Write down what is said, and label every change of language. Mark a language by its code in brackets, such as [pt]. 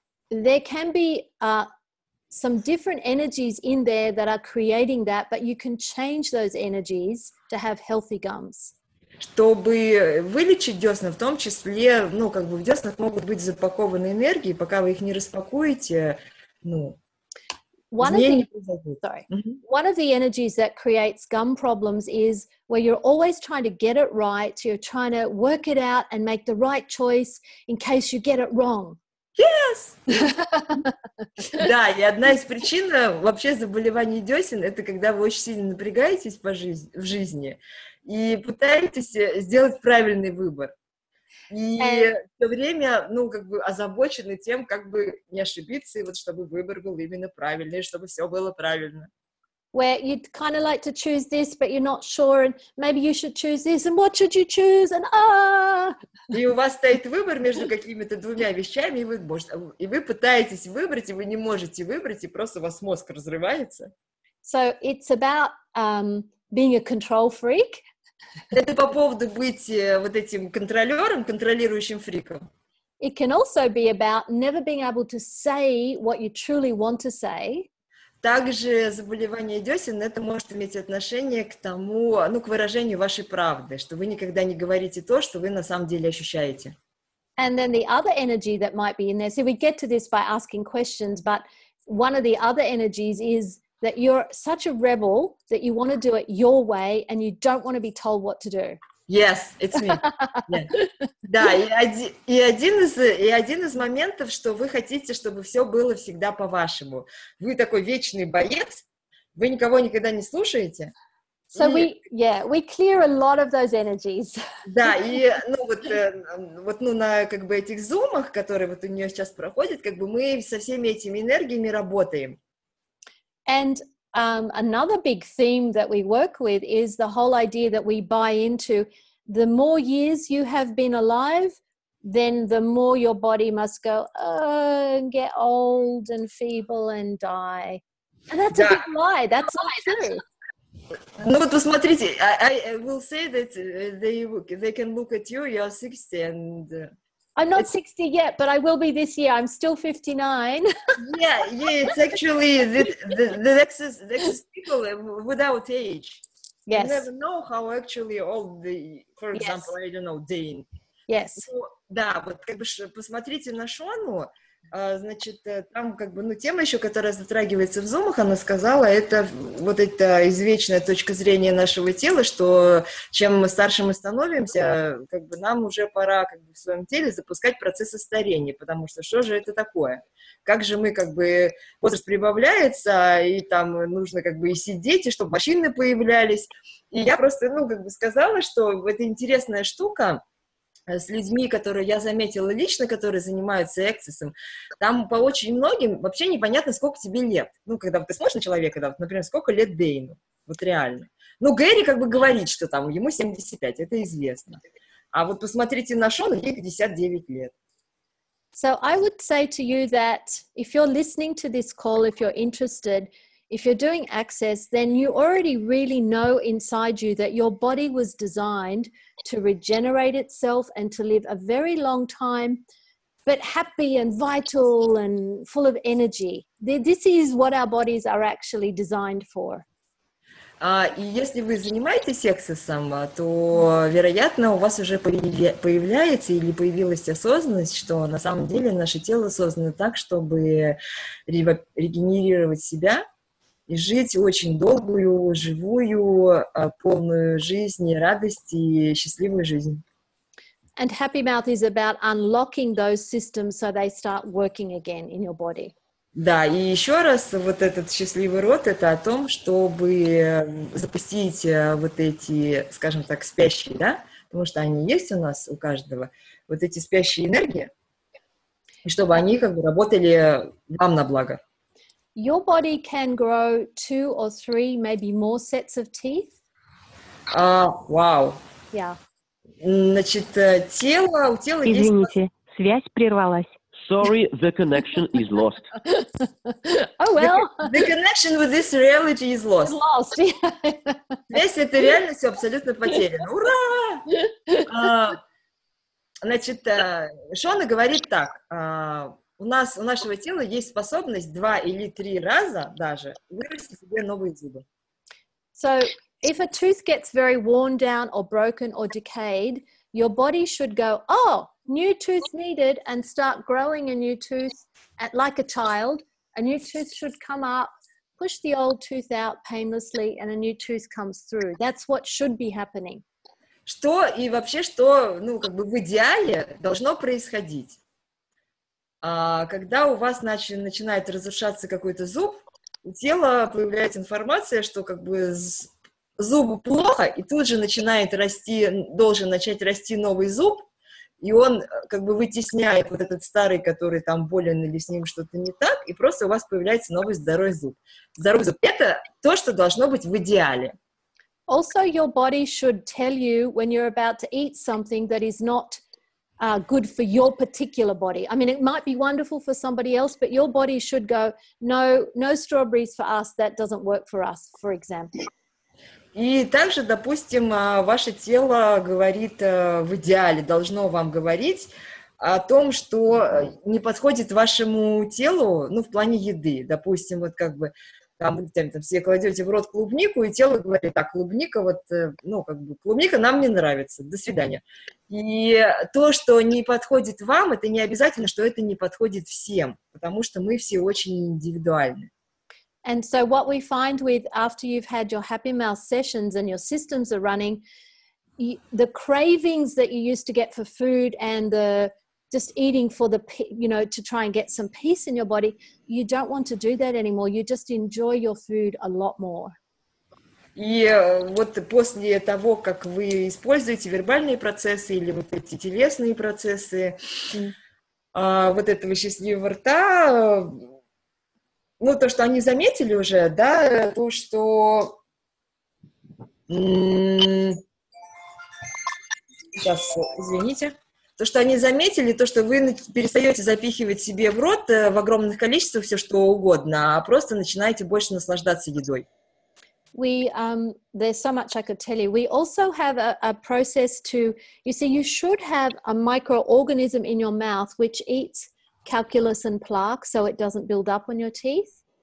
[en] there can be some different energies in there that are creating that, but you can change those energies to have healthy gums. [ru] Чтобы вылечить дёсны, в том числе, ну, как бы в дёснах могут быть запакованы энергии, пока вы их не распакуете, ну, [en] One of the energies that creates gum problems is where you're always trying to get it right, you're trying to work it out and make the right choice in case you get it wrong. Yes! [ru] Да, и одна из причин вообще заболеваний дёсен — это когда вы очень сильно напрягаетесь в жизни и пытаетесь сделать правильный выбор. И всё время, ну, как бы озабочены тем, как бы не ошибиться, и вот чтобы выбор был именно правильный, чтобы всё было правильно. [en] Where you'd kind of like to choose this, but you're not sure, and maybe you should choose this, and what should you choose, and [ru] И у вас стоит выбор между какими-то двумя вещами, и вы пытаетесь выбрать, и вы не можете выбрать, и просто у вас мозг разрывается. [en] So it's about being a control freak. [ru] Это по поводу быть вот этим контролером, контролирующим фриком. [en] It can also be about never being able to say what you truly want to say. [ru] Также заболевание дёсен, это может иметь отношение к тому, ну, к выражению вашей правды, что вы никогда не говорите то, что вы на самом деле ощущаете. [en] And then the other energy that might be in there, so we get to this by asking questions, but one of the other energies is that you're such a rebel that you want to do it your way and you don't want to be told what to do. Yes, it's me. Yeah. [ru] Да, и один из моментов, что вы хотите, чтобы все было всегда по-вашему. Вы такой вечный боец, вы никого никогда не слушаете. [en] So we clear a lot of those energies. [ru] Да, и ну вот ну на как бы этих зумах, которые вот у нее сейчас проходят, как бы мы со всеми этими энергиями работаем. [en] And Another big theme that we work with is the whole idea that we buy into: the more years you have been alive, then the more your body must go and get old and feeble and die. And that's a big lie. That's not true. [ru] Ну вот посмотрите, [en] I will say that they can look at you, you're 60 and... I'm not 60 yet, but I will be this year. I'm still 59. yeah, it's actually the people without age. Yes. You never know how actually old the, for example, yes. I don't know, Dane. Yes. [ru] So, да, вот как бы посмотрите на Шону. Значит, там как бы, ну, тема еще, которая затрагивается в зумах, она сказала, это вот эта извечная точка зрения нашего тела, что чем старше мы становимся, как бы нам уже пора как бы в своем теле запускать процессы старения, потому что же это такое? Как же мы как бы, возраст прибавляется, и там нужно как бы и сидеть, и чтобы морщины появлялись. И я просто, ну, как бы сказала, что это интересная штука, с людьми, которые я заметила лично, которые занимаются эксцессом, там по очень многим вообще непонятно, сколько тебе лет. Ну, когда ты смотришь на человека, да, вот, например, сколько лет Дэйну, вот реально. Ну, Гэри как бы говорит, что там ему 75, это известно. А вот посмотрите на Шона, ей 59 лет. [en] So I would say to you that if you're listening to this call, if you're interested, if you're doing access, then you already really know inside you that your body was designed to regenerate itself and to live a very long time, but happy and vital and full of energy. This is what our bodies are actually designed for. [ru] И если вы занимаетесь эксцессом, то, вероятно, у вас уже появляется или появилась осознанность, что на самом деле наше тело создано так, чтобы регенерировать себя и жить очень долгую, живую, полную жизнь, радость и счастливую жизнь. [en] And Happy Mouth is about unlocking those systems so they start working again in your body. [ru] Да, и еще раз, вот этот счастливый рот, это о том, чтобы запустить вот эти, скажем так, спящие, да, потому что они есть у нас, у каждого, вот эти спящие энергии, и чтобы они как бы работали вам на благо. [en] Your body can grow 2 or 3, maybe more sets of teeth. Wow. Yeah. [ru] Значит, у тела есть... Извините, связь прервалась. [en] Sorry, the connection is lost. Oh, well. The connection with this reality is lost. Lost, yeah. [ru] Весь эта реальность абсолютно потеряна. Ура! Значит, Шона говорит так... У нас, у нашего тела есть способность 2 или 3 раза даже вырастить себе новые зубы. [en] So, if a tooth gets very worn down or broken or decayed, your body should go, oh, new tooth needed, and start growing a new tooth at, like a child. A new tooth should come up, push the old tooth out painlessly, and a new tooth comes through. That's what should be happening. [ru] Что и вообще, что, ну, как бы в идеале должно происходить? Когда у вас начинает разрушаться какой-то зуб, у тела появляется информация, что как бы зубу плохо, и тут же начинает расти, должен начать расти новый зуб, и он как бы вытесняет вот этот старый, который там болен или с ним что-то не так, и просто у вас появляется новый здоровый зуб. Здоровый зуб. Это то, что должно быть в идеале. [en] Also, your body should tell you when you're about to eat something that is not good for your particular body. I mean, it might be wonderful for somebody else, but your body should go, no strawberries for us, that doesn't work for us, for example. [ru] И также, допустим, ваше тело говорит в идеале, должно вам говорить о том, что не подходит вашему телу, ну, в плане еды. Допустим, вот как бы там все кладете в рот клубнику, и тело говорит, так, клубника, вот, ну, как бы, клубника нам не нравится, до свидания. И то, что не подходит вам, это не обязательно, что это не подходит всем, потому что мы все очень индивидуальны. [en] And so what we find with, after you've had your Happy Mouth sessions and your systems are running, the cravings that you used to get for food and the just eating for the, you know, to try and get some peace in your body, you don't want to do that anymore. You just enjoy your food a lot more. [ru] И вот после того, как вы используете вербальные процессы или вот эти телесные процессы, вот этого счастливого рта, ну, то, что они заметили уже, да, то, что... Сейчас, извините. То, что они заметили, то, что вы перестаете запихивать себе в рот в огромных количествах все что угодно, а просто начинаете больше наслаждаться едой. [en] We there's so much I could tell you. We also have a process to, you see, you should have a microorganism in your mouth which eats calculus and plaque, so it doesn't build up on your teeth.